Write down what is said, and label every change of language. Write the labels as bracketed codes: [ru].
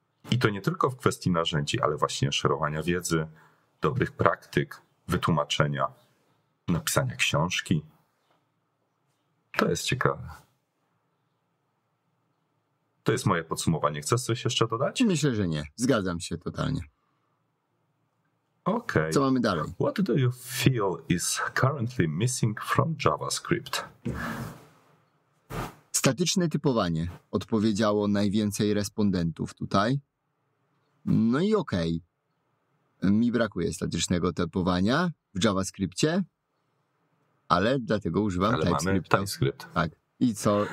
[pl] I to nie tylko w kwestii narzędzi, ale właśnie szerowania wiedzy, dobrych praktyk, wytłumaczenia, napisania książki. To jest ciekawe. To jest moje podsumowanie. Chcesz coś jeszcze dodać? Myślę, że nie. Zgadzam się totalnie. Okej. Okay. Co mamy dalej? [en] What do you feel is currently missing from JavaScript? [pl] Statyczne typowanie odpowiedziało najwięcej respondentów tutaj. No i okej. Okay. Mi brakuje statycznego typowania w JavaScriptie. ale dlatego używam TypeScript. Mamy TypeScript. Tak. I co?